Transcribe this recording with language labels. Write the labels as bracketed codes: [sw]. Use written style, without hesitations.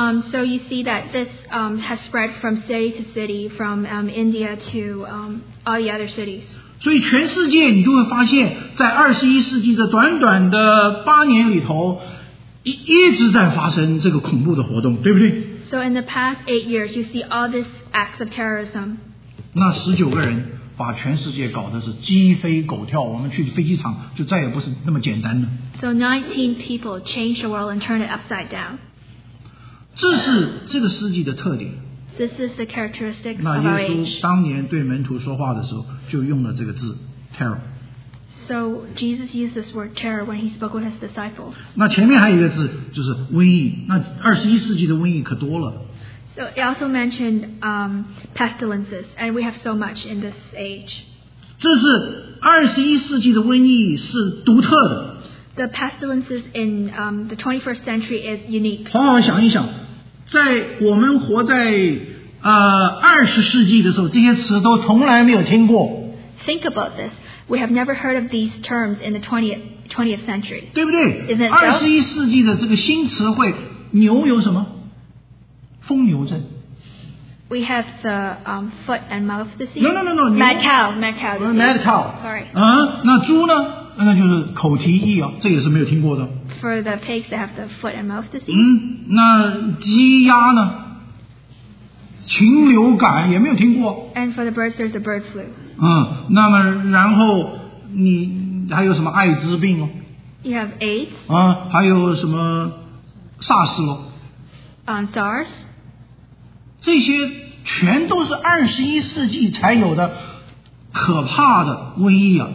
[en] So you see that this has spread from city to city, from India to all the other cities. [zh] 所以全世界你就会发现，在二十一世纪的短短的八年里头，一直在发生这个恐怖的活动，对不对 [en] ？So in the past 8 years, you see all these acts of terrorism. [zh] 那十九个人。把全世界搞得是鸡飞狗跳，我们去飞机场就再也不是那么简单的。 [en] So 19 people change the world and turn it upside down. [zh] 这是这个世纪的特点。 [en] This is the characteristic of our age. [zh] 那耶稣当年对门徒说话的时候就用了这个字 terror. [en] So Jesus used this word terror when he spoke with his disciples. [zh] 那前面还有一个字就是瘟疫，那二十一世纪的瘟疫可多了。 [en] So it also mentioned pestilences, and we have so much in this age. [zh] 这是二十一世纪的瘟疫是独特的。 [en] The pestilences in the 21st century is unique. [zh] 好好想一想，在我们活在二十世纪的时候，这些词都从来没有听过。 [en] Think about this. We have never heard of these terms in the 20th century. [zh] 对不对？ [en] Isn't it? [zh] 二十一世纪的这个新词汇，牛有什么？疯牛症。 [en] We have the foot and mouth disease. No. Mad cow. Sorry. [zh] 那猪呢？那就是口蹄疫啊，这也是没有听过的。 [en] For the pigs, they have the foot and mouth disease. [zh] 那鸡鸭呢？禽流感也没有听过。 [en] And for the birds, there's the bird flu. [zh] 那么然后你还有什么艾滋病哦 [en] ？You have AIDS. [zh] 还有什么 SARS 咯？ [en] SARS， [zh] 这些全都是二十一世纪才有的可怕的瘟疫啊！